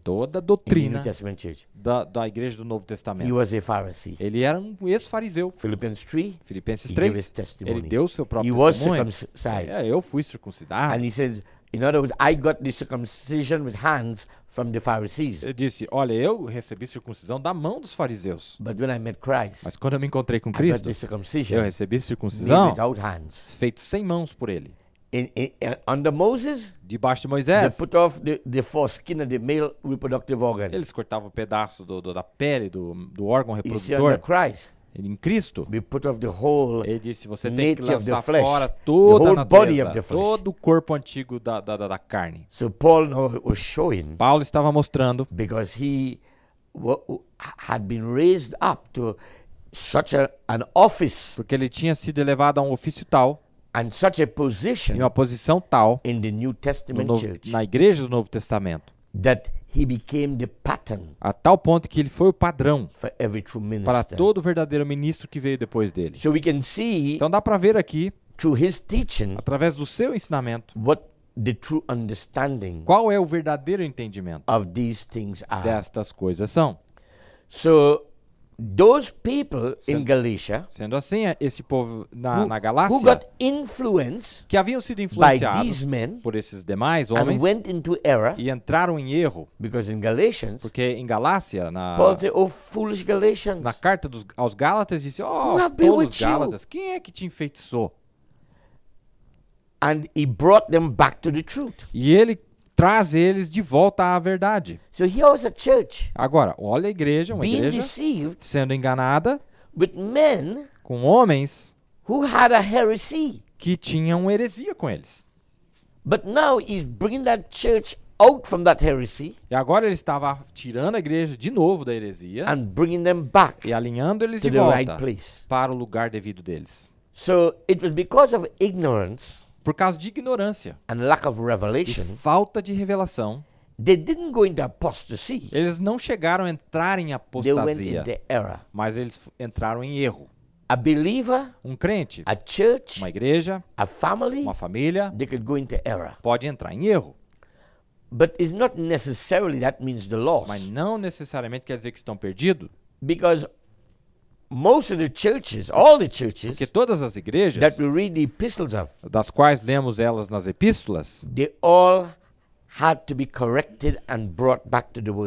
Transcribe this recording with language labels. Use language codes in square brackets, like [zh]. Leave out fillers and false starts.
[pt] Toda a doutrina [en] in the New Testament church. [pt] Da igreja do Novo Testamento. [en] He was a Pharisee. [pt] Ele era um ex-fariseu. [en] Philippians 3. [pt] Filipenses 3. [en] He gave his testimony. [pt] Ele deu seu próprio testemunho. [en] He was circumcised. [pt] Eu fui circuncidado. [en] And he said, in other words, I got the circumcision with hands from the Pharisees. [pt] Ele disse, olha, eu recebi circuncisão da mão dos fariseus. [en] But when I met Christ, [pt] mas quando eu me encontrei com Cristo, [en] I got the circumcision, [pt] eu recebi circuncisão [en] without hands, [pt] feito sem mãos por ele. [en] Under Moses, [pt] debaixo de Moisés, [en] they put off the foreskin of the male reproductive organ. [pt] Eles cortavam um pedaço da pele do órgão reprodutor. [en] Under Christ, [pt] em Cristo, [en] we put off the whole, [pt] ele disse, você tem que lançar [en] flesh, [pt] fora toda a natureza, todo o corpo antigo da carne. [en] So Paul was showing, [pt] Paulo estava mostrando, [en] because he had been raised up to such an office, [pt] porque ele tinha sido elevado a um ofício tal. [en] And such a position, [pt] em uma posição tal, [en] in the New Testament church, [pt] na igreja do Novo Testamento, [en] that he became the pattern, [pt] a tal ponto que ele foi o padrão [en] for every true minister, [pt] para todo verdadeiro ministro que veio depois dele. [en] So we can see, [pt] então dá para ver aqui, [en] through his teaching, [pt] através do seu ensinamento, [en] what the true understanding, [pt] qual é o verdadeiro entendimento [en] of these things are, [pt] destas coisas são. [en] So, those people in Galatia, [pt] sendo assim, esse povo na Galácia, [en] who got influence, [pt] que haviam sido influenciados [en] by these men, [pt] por esses demais homens, [en] and went into error, [pt] e entraram em erro, [en] because in Galatians, [pt] porque em Galácia, [en] Paul said, oh, foolish Galatians, [pt] na carta aos Gálatas, disse, oh, [en] who have been [pt] todos [en] with [pt] Gálatas, [en] you? [pt] Quem é que te enfeitiçou? [en] And he brought them back to the truth. [pt] E ele traz eles de volta à verdade. [en] So here was a church, [pt] agora, olha a igreja, uma igreja [en] deceived, [pt] sendo enganada [en] with men, [pt] com homens [en] who had a heresy, [pt] que tinham heresia com eles. [en] But now he's bringing that church out from that heresy, [pt] e agora ele estava tirando a igreja de novo da heresia [en] and bringing them back, [pt] e alinhando eles [en] to [pt] de volta [en] the right place, [pt] para o lugar devido deles. [en] So it was because of ignorance, [pt] por causa de ignorância [en] and lack of revelation, [pt] e falta de revelação, [en] they didn't go into apostasy, [pt] eles não chegaram a entrar em apostasia, [en] they went into error, [pt] mas eles entraram em erro. [en] A believer, [pt] um crente, [en] a church, [pt] uma igreja, [en] a family, [pt] uma família, [en] they could go into error, [pt] pode entrar em erro. [en] But it's not necessarily that means the loss, [pt] mas não necessariamente quer dizer que estão perdidos. [en] Because most of the churches, all the churches, [pt] porque todas as igrejas [en] that we read the epistles of, [pt] das quais lemos elas nas epístolas, [en] they all had to be corrected and brought back to the word.